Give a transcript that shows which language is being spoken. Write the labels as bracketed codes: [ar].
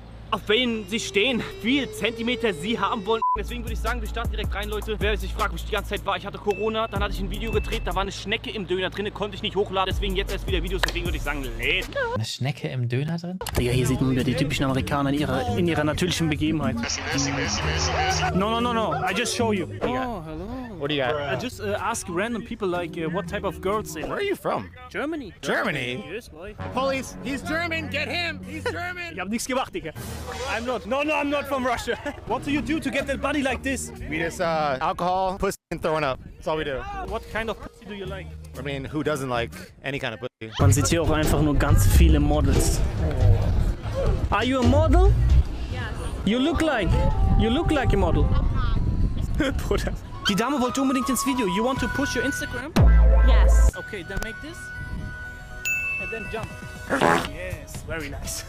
[de] Auf wen sie stehen, wie Zentimeter sie haben wollen. Deswegen würde ich sagen, wir starten direkt rein, Leute. Wer sich fragt, wo ich die ganze Zeit war, ich hatte Corona, dann hatte ich ein Video gedreht, da war eine Schnecke im Döner drin, konnte ich nicht hochladen. Deswegen jetzt erst wieder Videos, deswegen würde ich sagen, lädt. Eine Schnecke im Döner drin? Ja, hier sieht man wieder die typischen Amerikaner in ihrer natürlichen Begebenheit. [en] No, I just show you. Oh, hello. What do you got? I just ask random people like what type of girls they like. Where are you from? Germany. Germany? Yes, boy. Police, he's German, get him! He's German! [de] Ich hab nichts gemacht, Digga. [en] I'm not. No, I'm not from Russia. What do you do to get that body like this? We just alcohol, pussy, and throwing up. That's all we do. What kind of pussy do you like? I mean, who doesn't like any kind of pussy? [de] Man sieht hier auch einfach nur ganz viele Models. [en] Are you a model? Yes. You look like a model. [de] Bruder. Die Dame wollte unbedingt ins Video. [en] You want to push your Instagram? Yes. Okay, then make this. And then jump. Yes, very nice.